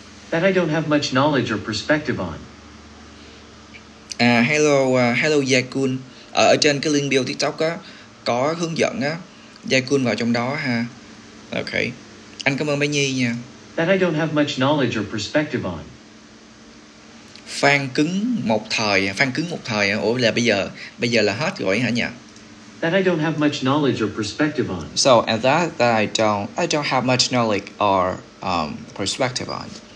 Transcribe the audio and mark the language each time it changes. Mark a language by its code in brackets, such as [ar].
[en] That I don't have much knowledge or perspective on. Hello Jaikun. [vi] Ở trên cái link bio TikTok á có hướng dẫn á, Jaikun vào trong đó ha. Okay. Anh cảm ơn Mai Nhi nha. [en] That I don't have much knowledge or perspective on. [vi] Fan cứng một thời. Ủa là bây giờ là hết rồi hả nhỉ? [en] That I don't have much knowledge or perspective on. So, and that I don't have much knowledge or perspective on.